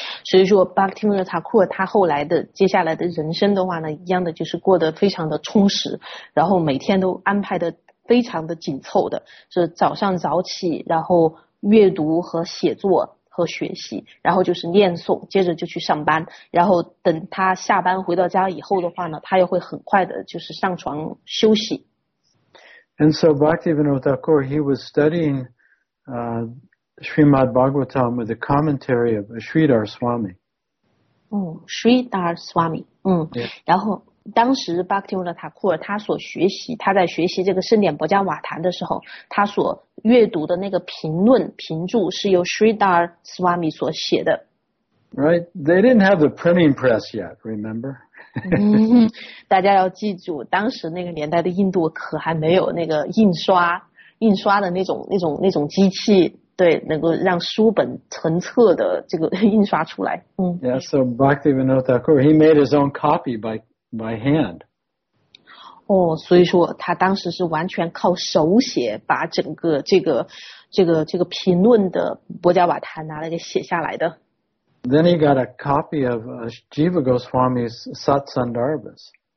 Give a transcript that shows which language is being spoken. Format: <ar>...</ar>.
<zh>所以说 Bhaktivinoda Thakur 他后来的接下来的人生的话呢，一样的就是过得非常的充实，然后每天都安排的非常的紧凑的，是早上早起，然后阅读和写作和学习，然后就是念诵，接着就去上班，然后等他下班回到家以后的话呢，他又会很快的就是上床休息。</zh> <en>And so Bhaktivinoda Thakur, he was studying Srimad Bhagavatam with the commentary of Sridhar Swami. Sridhar Swami. Yeah.</en> <zh>然后当时 Bhaktivinoda Thakur 他在学习这个圣典薄伽瓦坛的时候，他所阅读的那个评论评注是由 Sridhar Swami 所写的。</zh> <en>Right, they didn't have the printing press yet, remember?</en> <zh>大家要记住，当时那个年代的印度可还没有那个印刷的那种机器，对，能够让书本成册的这个印刷出来。</zh> <en>Yeah, so Bhaktivinoda Thakur, he made his own copy by hand.</en> <zh>所以说他当时是完全靠手写把整个这个评论的薄伽瓦坛拿来给写下来的。</zh> <en>Then he got a copy of Jiva Goswami's Sat Sandarbhas.</en>